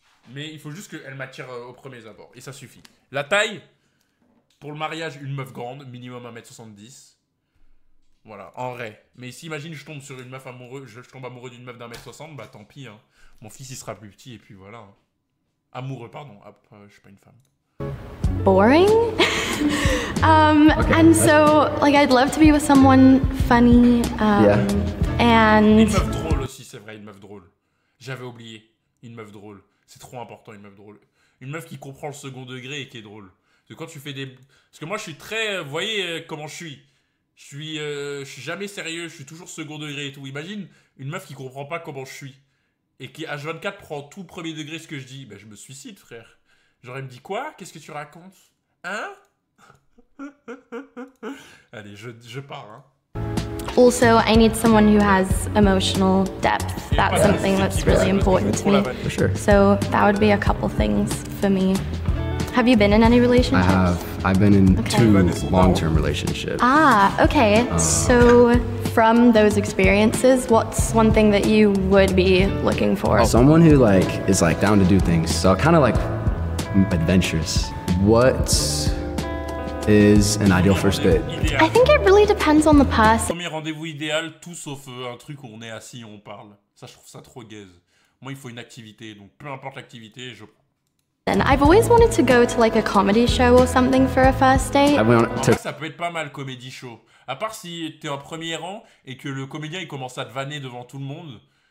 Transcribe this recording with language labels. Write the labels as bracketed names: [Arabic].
[French] Mais il faut juste qu'elle m'attire au premier abord. Et ça suffit. La taille, pour le mariage, une meuf grande, minimum 1m70. Voilà, en vrai. Mais si, imagine, je tombe sur une meuf amoureuse, je tombe amoureux d'une meuf d'1m60, bah tant pis, hein. Mon fils, il sera plus petit, et puis voilà. Amoureux, pardon. Hop, je suis pas une femme. [English] Boring. okay, and so, like, I'd love to be with someone funny. Yeah. And... [French] Une meuf drôle aussi, c'est vrai, une meuf drôle. J'avais oublié. Une meuf drôle. C'est trop important, une meuf drôle. Une meuf qui comprend le second degré et qui est drôle. De quand tu fais des... Parce que moi, je suis très... Vous voyez comment je suis. Je suis jamais sérieux, je suis toujours second degré et tout. Imagine une meuf qui comprend pas comment je suis et qui H24 prend tout premier degré ce que je dis. Ben je me suicide, frère. Genre elle me dit quoi? Qu'est-ce que tu racontes? Hein? Allez, je pars, hein. [English] Also, I need someone who has emotional depth. That's something that's really important to me. So that would be a couple things for me. Have you been in any relationships? I have. I've been in two long-term relationships. Ah, okay. So, from those experiences, what's one thing that you would be looking for? Someone who, like, is, like, down to do things. So, kind of, like, adventurous. What is an ideal first date? I think it really depends on the person. [French] Premier rendez-vous idéal, tout sauf un truc où on est assis et on parle. Ça, je trouve ça trop gaze. Moi, il faut une activité. Donc, peu importe l'activité, je... [English] And I've always wanted to go to like a comedy show or something for a first date. [French] Ça peut être pas mal, comedy show. À part si t'es en premier rang et que le comédien il commence à te vanner devant tout le monde.